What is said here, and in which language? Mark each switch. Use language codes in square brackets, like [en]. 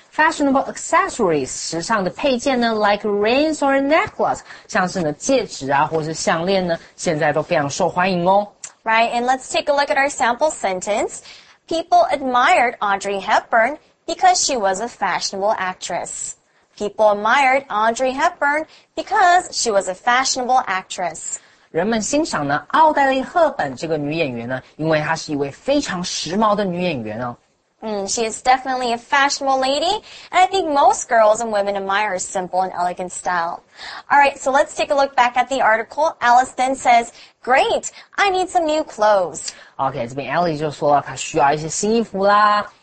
[en] Fashionable accessories, [zh] 时尚的配件呢 [en] like rings or necklace, [zh] 像是呢戒指啊或是项链呢现在都非常受欢迎哦。 [en] Right, and let's take a look at our sample sentence. People admired Audrey Hepburn because she was a fashionable actress. People admired Audrey Hepburn because she was a fashionable actress. [zh] 人们欣赏呢奥黛丽·赫本这个女演员呢，因为她是一位非常时髦的女演员哦。 [en] She is definitely a fashionable lady, and I think most girls and women admire her simple and elegant style. All right, so let's take a look back at the article. Alice then says, "Great, I need some new clothes." [zh] Okay, 这边 Alice 就说了，她需要一些新衣服啦。